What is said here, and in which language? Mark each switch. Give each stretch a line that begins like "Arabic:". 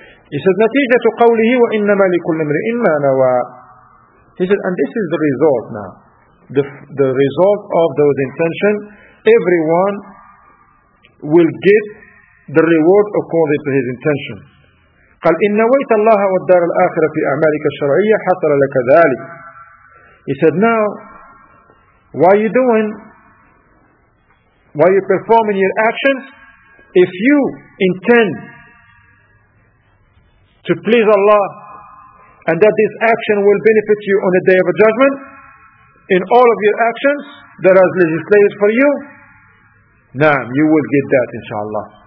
Arabic: He said, نتيجة قوله وإنما لكل امرئ ما نوى.
English: He said, and this is the result now. The result of those intention, everyone will get the reward according to his intention.
Arabic: قال إن نويت الله والدار الآخرة في أعمالك الشرعية حصل لك ذلك.
English: He said, now, why are you doing? Why are you performing your actions? If you intend to please Allah, and that this action will benefit you on the Day of Judgment, in all of your actions that are legislated for you, نعم, you will get that, inshallah.